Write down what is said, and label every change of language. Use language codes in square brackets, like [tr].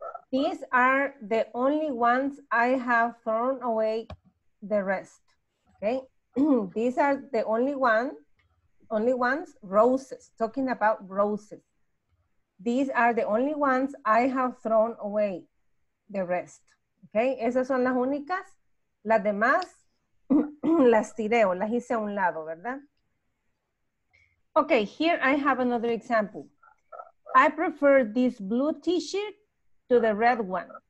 [en] These are the only ones I have thrown away the rest, okay? These are the only one only ones, roses, talking about roses. These are the only ones I have thrown away, the rest. [es] Okay, esas son las únicas. Las demás las tiré o las hice a un lado, ¿verdad? [en] Okay, here I have another example. I prefer this blue t-shirt to the red one.